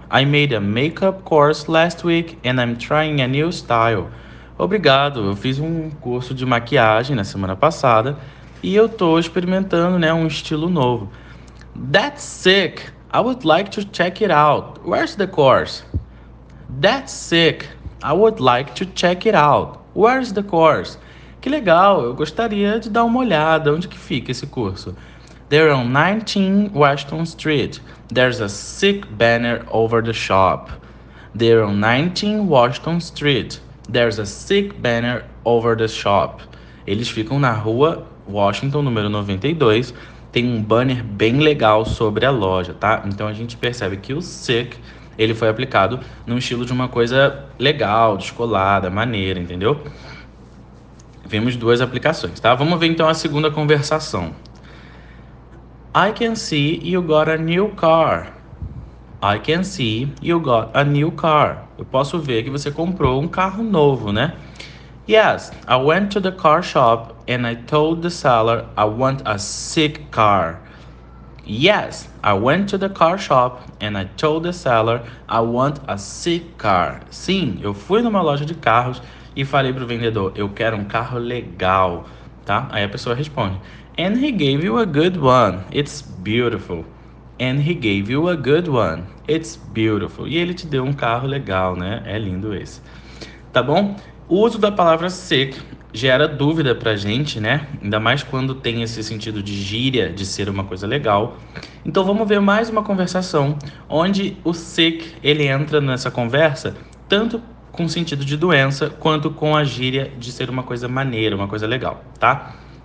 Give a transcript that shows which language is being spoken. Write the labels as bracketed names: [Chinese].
[English] I made a makeup course last week and I'm trying a new style. [Portuguese] Obrigado. Eu fiz um curso de maquiagem na semana passada e eu tô experimentando, né, um estilo novo. [English] That's sick. I would like to check it out. Where's the course? That's sick. I would like to check it out. Where's the course? [Portuguese] Que legal, eu gostaria de dar uma olhada onde que fica esse curso. [English] They're on 19 Washington Street. There's a sick banner over the shop. They're on 19 Washington Street. There's a sick banner over the shop. [Portuguese] Eles ficam na rua Washington, número 92. Tem um banner bem legal sobre a loja, tá? Então a gente percebe que o sick, ele foi aplicado no estilo de uma coisa legal, descolada, maneira, entendeu? Vemos duas aplicações, tá? Vamos ver então a segunda conversação. [English] I can see you got a new car. I can see you got a new car. [Portuguese] Eu posso ver que você comprou um carro novo, né? [English] Yes, I went to the car shop and I told the seller I want a sick car. Yes, I went to the car shop and I told the seller I want a sick car. [Portuguese] Sim, eu fui numa loja de carros e falei pro vendedor, eu quero um carro legal, tá? Aí a pessoa responde, [English] And he gave you a good one. It's beautiful. And he gave you a good one. It's beautiful. [Portuguese] E ele te deu um carro legal, né? É lindo esse. Tá bom? O uso da palavra sick gera dúvida pra gente, né? Ainda mais quando tem esse sentido de gíria, de ser uma coisa legal. Então vamos ver mais uma conversação onde o sick, ele entra nessa conversa, tanto com sentido de doença, quanto com a gíria de ser uma coisa maneira, uma coisa legal, tá?